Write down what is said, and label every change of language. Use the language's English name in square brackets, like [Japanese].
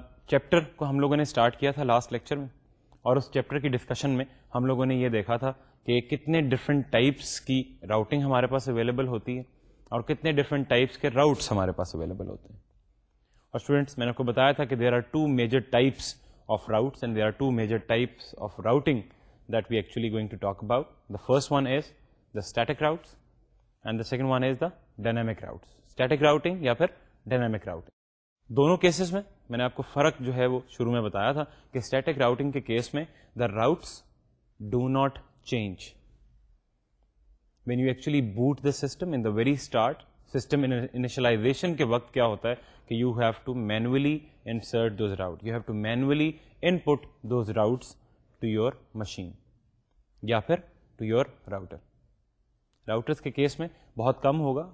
[Urdu] Chapter کو ہم لوگوں نے اسٹارٹ کیا تھا لاسٹ لیکچر میں, اور اس چیپٹر کی ڈسکشن میں ہم لوگوں نے یہ دیکھا تھا کہ کتنے ڈفرینٹ ٹائپس کی راؤٹنگ ہمارے پاس اویلیبل ہوتی ہے اور کتنے ڈفرینٹ ٹائپس کے راؤٹس ہمارے پاس اویلیبل ہوتے ہیں. اور اسٹوڈینٹس, میں نے آپ کو بتایا تھا کہ [English] There are two major types of routes and there are two major types of routing that we actually going to talk about. The first one is the static routes and the second one is the dynamic routes. [Urdu] Static routing یا پھر dynamic routing, دونوں cases میں میں نے آپ کو فرق جو ہے وہ شروع میں بتایا تھا کہ اسٹیٹک راؤٹنگ کے کیس میں [English] The routes do not change. When you actually boot the system in the very start, system initialization [Urdu] ke waqt kya hota hai, ki [English] you have to manually insert those routes. You have to manually input those routes to your machine. [Urdu] Ya phir [English] to your router. [Urdu] Routers ke case mein bahut kam hoga.